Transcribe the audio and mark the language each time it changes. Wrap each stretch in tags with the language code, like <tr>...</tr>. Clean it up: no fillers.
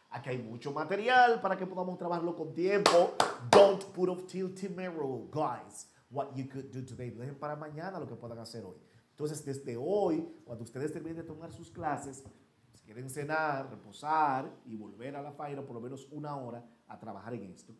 <es>Aquí hay mucho material para que podamos trabajarlo con tiempo.</es> <en>Don't put off till tomorrow, guys, what you could do today.</en> <es>Dejen para mañana lo que puedan hacer hoy. Entonces, desde hoy, cuando ustedes terminen de tomar sus clases, si quieren cenar, reposar y volver a la faena por lo menos una hora a trabajar en esto.</es>